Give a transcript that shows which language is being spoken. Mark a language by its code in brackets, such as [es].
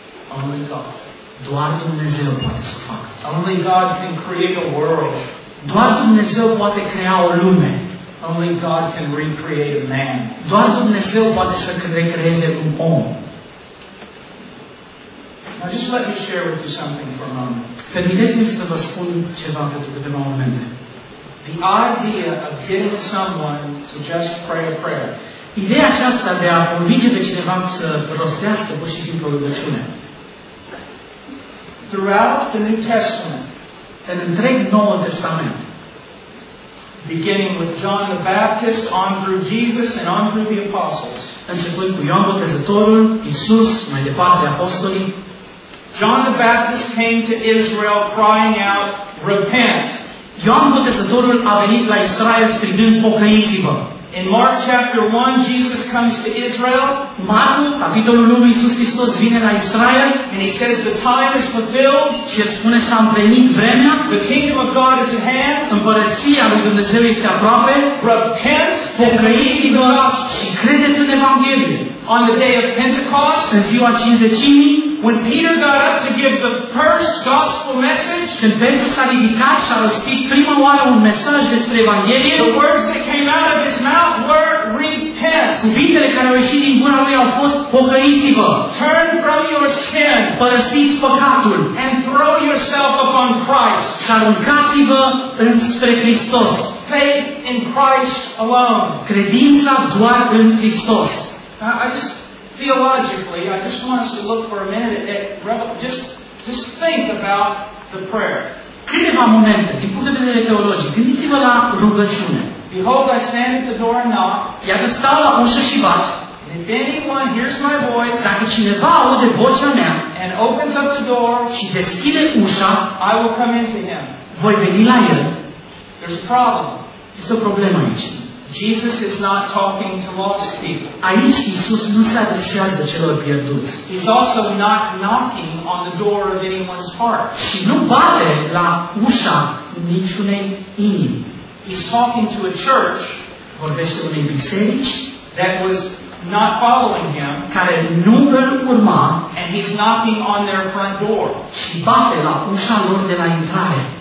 [en] Only God. [ro] Doar Dumnezeu poate să o facă. [en] Only God can create a world. [ro] Doar Dumnezeu poate crea o lume. [en] Only God can recreate a man. [ro] Doar Dumnezeu poate să recreeze un om. [en] Now just let me share with you something for a moment. [ro] Permiteți-mi să vă spun ceva pentru câteva momente. [en] The idea of getting someone to just pray a prayer. [ro] Ideea aceasta de a convinge pe cineva să rostească pur și simplu rugăciune. [en] Throughout the New Testament, [ro] în întreg Noul Testament, [en] beginning with John the Baptist, on through Jesus and on through the apostles. [ro] Începând cu Ioan Botezătorul, Iisus, mai departe apostolii. [en] John the Baptist came to Israel crying out, "Repent." [ro] Ioan Botezătorul a venit la Israel strigând pocăiți-vă. [en] In Mark chapter 1, Jesus comes to Israel. [ro] Marcu, capitolul 1, Iisus Hristos vine la Israel. [en] And he says the time is fulfilled. [ro] Și spune s-a împlinit vremea. [en] The kingdom of God is at hand. [ro] Împărăția lui Dumnezeu este aproape. [en] Repent. [ro] Pocăiți-vă și credeți în Evanghelie. [en] On the day of Pentecost, [ro] în ziua Cinzecimii, [en] when Peter got up to give the first gospel message, [ro] când Petru s-a ridicat și a rostit prima oară un mesaj despre Evanghelie, [en] the words that came out of his mouth were repent. [ro] Cuvintele care au ieșit din gura lui au fost pocăiți-vă. [en] Turn from your sin. [ro] Părăsiți păcatul. [en] And throw yourself upon Christ. [ro] Și aruncați-vă înspre Hristos. [en] Faith in Christ alone. [ro] Credința doar în Hristos. [en] I just want us to look for a minute at just think about the prayer. [ro] Câteva momente, din punct de vedere teologic, gândiți-vă la rugăciune. [en] Behold, I stand at the door and knock. [ro] Iată, stau la ușă și bat. [en] If anyone hears my voice, [ro] dacă cineva aude vocea mea, [en] and opens up the door, [ro] și deschide ușa, [en] I will come into him. [ro] Voi veni la el. [en] There's a problem. [ro] Este o problemă aici. [en] Jesus is not talking to lost people. [ro] Aici Iisus nu se adresează celor pierduți. [en] He's also not knocking on the door of anyone's heart. [ro] Și nu bate la ușa niciunei inimi. [en] He's talking to a church. [ro] Vorbește unei biserici. [en] That was not following him. [ro] Care nu îl urma. [en] And he's knocking on their front door. [ro] Și bate la ușa lor de la intrare.